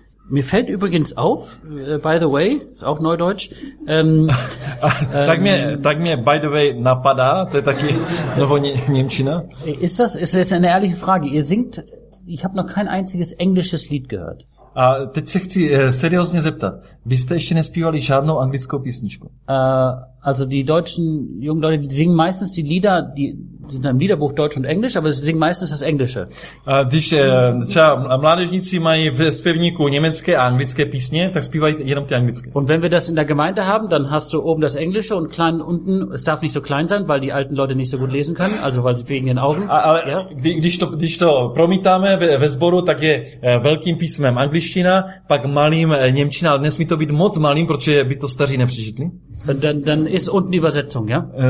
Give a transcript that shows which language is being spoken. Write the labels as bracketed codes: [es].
[de] Mir fällt übrigens auf, [en] by the way, [de] ist auch Neudeutsch. [cs] tak mě [en] by the way [cs] napadá, to je taky Novoněmčina. [de] Ist jetzt eine ehrliche Frage. Ihr singt, ich habe noch kein einziges englisches Lied gehört. [cs] A teď se chci seriózně zeptat. Vy jste ještě nespívali žádnou anglickou písničku? [de] Also die deutschen jungen Leute, die singen meistens die Lieder, die sind im Liederbuch Deutsch und Englisch, aber sie singen meistens das Englische. [cs] Když třeba mládežníci mají v zpěvníku německé a anglické písně, tak zpívají jenom ty anglické. [de] Und wenn wir das in der Gemeinde haben, dann hast du oben das Englische und klein unten, es darf nicht so klein sein, weil die alten Leute nicht so gut lesen können, also weil sie wegen ihren Augen. [cs] Ale ja? když to promítáme ve sboru, tak je velkým písmem angličtina, pak malým němčina, ale nesmí to být moc malým, protože by to staří nepřečetli. [de] Dann ist unten die Übersetzung, ja?